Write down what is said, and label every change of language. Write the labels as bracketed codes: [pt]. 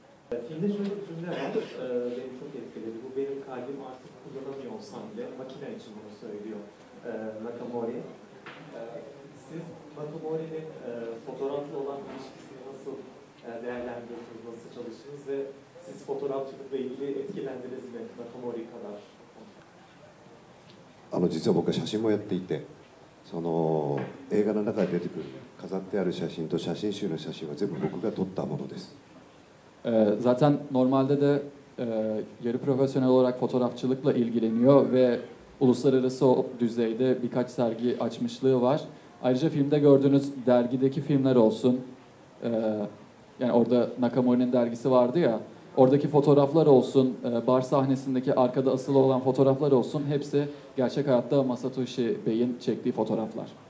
[tr] Filmde şöyle bir cümle var, beni çok etkiledi. Bu benim kalbim artık kullanamıyor olsam bile, makine için bunu söylüyor Nakamori. Siz Nakamori'nin fotoğrafla olan ilişkisini nasıl değerlendiriyorsunuz, nasıl çalıştınız ve siz fotoğrafçılıkla ilgili etkilendiniz mi Nakamori kadar? [ja] 実は僕は写真もやっていて、その映画の中に出てくる飾ってある写真と写真集の写真は全部僕が撮ったものです。 [tr] zaten normalde de yarı profesyonel olarak fotoğrafçılıkla ilgileniyor ve uluslararası düzeyde birkaç sergi açmışlığı var. Ayrıca filmde gördüğünüz dergideki filmler olsun, yani orada Nakamori'nin dergisi vardı ya, oradaki fotoğraflar olsun, bar sahnesindeki arkada asılı olan fotoğraflar olsun, hepsi gerçek hayatta Masatoshi Bey'in çektiği fotoğraflar.